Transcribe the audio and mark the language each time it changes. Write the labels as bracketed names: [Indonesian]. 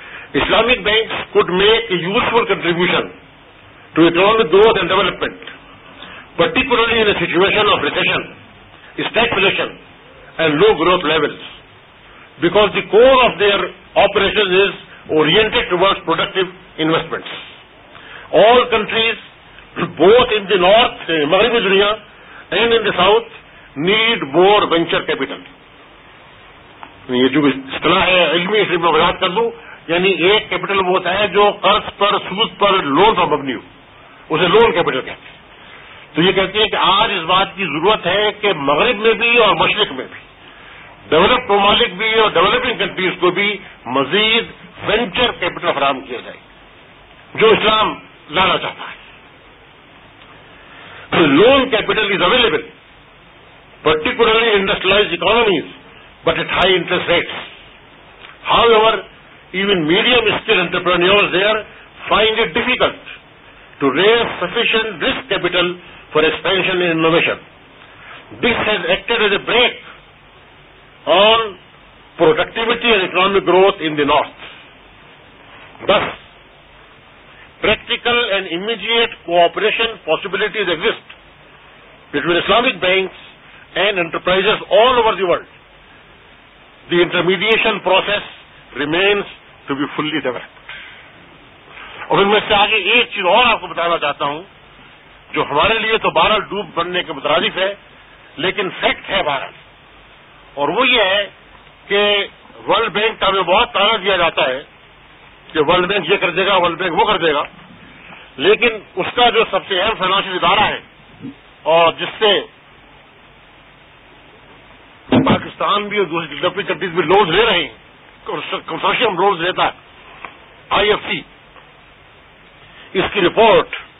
[English] Islamic banks could make a useful contribution to economic growth and development, particularly in a situation of recession, stagflation and low growth levels, because the core of their operations is oriented towards productive investments. All countries, both in the north, [Urdu] Maghribi Duniya, [English] and in the south, need more venture capital. [Urdu] یہ جو اصطلاح ہے علمی اس میں وضاحت کر دوں, یعنی ایک کیپٹل وہ ہوتا ہے جو قرض پر سود پر لون پر مبنی ہو, اسے لون کیپٹل کہتے ہیں. تو یہ کہتے ہیں کہ آج اس بات کی ضرورت ہے کہ مغرب میں بھی اور مشرق میں بھی ڈیولپ ممالک بھی اور ڈیولپنگ کنٹریز کو بھی مزید وینچر کیپٹل فراہم کیا جائے جو اسلام لانا چاہتا ہے. [English] Loan capital is available particularly industrialised economies but at high interest rates. However, even medium-scale entrepreneurs there find it difficult to raise sufficient risk capital for expansion and innovation. This has acted as a brake on productivity and economic growth in the north. Thus, practical and immediate cooperation possibilities exist between Islamic banks and enterprises all over the world. The intermediation process remains to be fully developed. [Urdu] اور ان میں سے آگے ایک چیز اور آپ کو بتانا چاہتا ہوں جو ہمارے لیے تو بہرحال ڈوب بننے کے مترادف ہے لیکن فیکٹ ہے بہرحال, اور وہ یہ ہے کہ ورلڈ بینک کا ہمیں بہت تانا دیا جاتا ہے کہ ورلڈ بینک یہ کر دے گا ورلڈ بینک وہ کر دے گا, لیکن اس کا جو سب سے اہم فائنانشیل ادارہ ہے اور جس سے پاکستان بھی اور دوسری ڈیولپنگ کنٹریز بھی لونز لے رہے ہیں, کنسورشیم لونز لیتا ہے آئی ایف سی, اس کی رپورٹ